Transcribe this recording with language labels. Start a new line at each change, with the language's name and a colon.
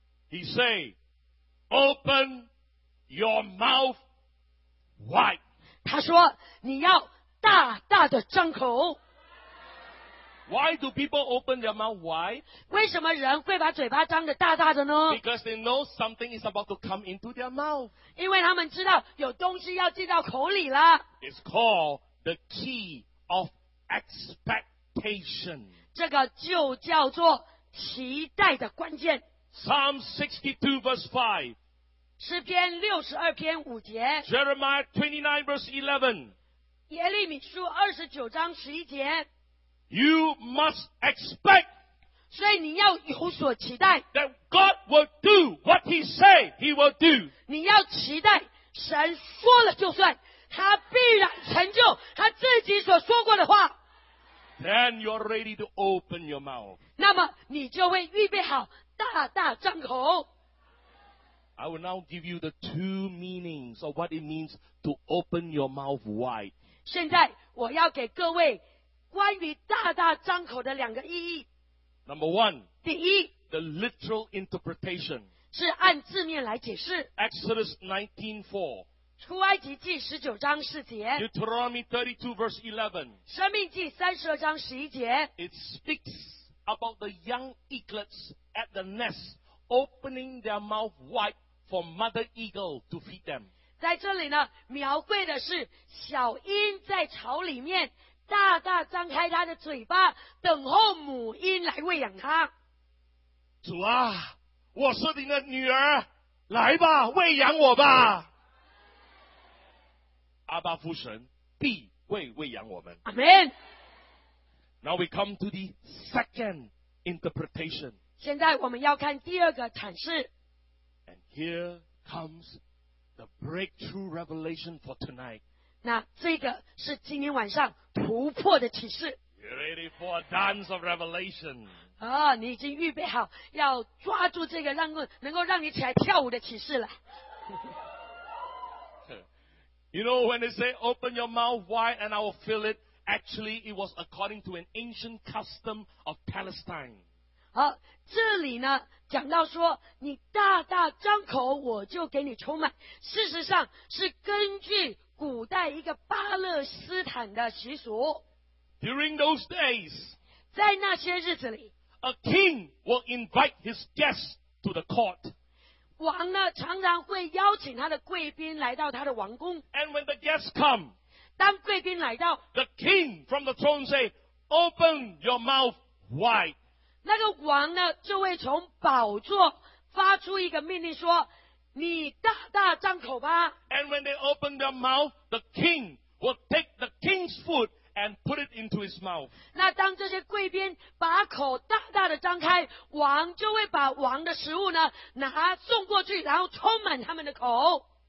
English: He say, open your mouth wide.
Chinese: 他说，你要大大的张口。
English: Why do people open their mouth wide?
Chinese: 为什么人会把嘴巴张得大大的呢？
English: Because they know something is about to come into their mouth.
Chinese: 因为他们知道有东西要进到口里了。
English: It's called the key of expectation.
Chinese: 这个就叫做期待的关键。
English: Psalm 62 verse 5.
Chinese: 诗篇62篇5节。
English: Jeremiah 29 verse 11.
Chinese: 耶利米书29章11节。
English: You must expect.
Chinese: 所以你要有所期待。
English: That God will do what He say He will do.
Chinese: 你要期待神说了就算，他必然成就他自己所说过的话。
English: Then you're ready to open your mouth.
Chinese: 那么你就会预备好大大张口。
English: I will now give you the two meanings of what it means to open your mouth wide.
Chinese: 现在我要给各位关于大大张口的两个意义。
English: Number one,
Chinese: 第一
English: ，the literal interpretation
Chinese: 是按字面来解释。
English: Exodus 19:4,
Chinese: 出埃及记十九章四节。
English: Deuteronomy 32 verse 11,
Chinese: 生命记三十二章十一节。
English: It speaks about the young eaglets at the nest opening their mouth wide for mother eagle to feed them.
Chinese: 在这里呢，描绘的是小鹰在巢里面。大大张开他的嘴巴，等候母鹰来喂养他。主啊，我是你的女儿，来吧，喂养我吧。阿爸父神必会喂养我们。
English: Amen. Now we come to the second interpretation.
Chinese: 现在我们要看第二个阐释。
English: And here comes the breakthrough revelation for tonight.
Chinese: 那这个是今天晚上突破的启示。
English: You're ready for a dance of revelation.
Chinese: 啊，你已经预备好要抓住这个能够让你起来跳舞的启示了。
English: You know when they say open your mouth wide and I will fill it, actually it was according to an ancient custom of Palestine.
Chinese: 好，这里呢讲到说你大大张口我就给你充满，事实上是根据古代一个巴勒斯坦的习俗。
English: During those days,
Chinese: 在那些日子里,
English: a king will invite his guests to the court.
Chinese: 王呢常常会邀请他的贵宾来到他的王宫。
English: And when the guests come,
Chinese: 当贵宾来到,
English: the king from the throne say, "Open your mouth wide."
Chinese: 那个王呢就会从宝座发出一个命令说，你大大张口吧。
English: And when they open their mouth, the king will take the king's food and put it into his mouth.
Chinese: 那当这些贵宾把口大大的张开，王就会把王的食物呢拿送过去，然后充满他们的口。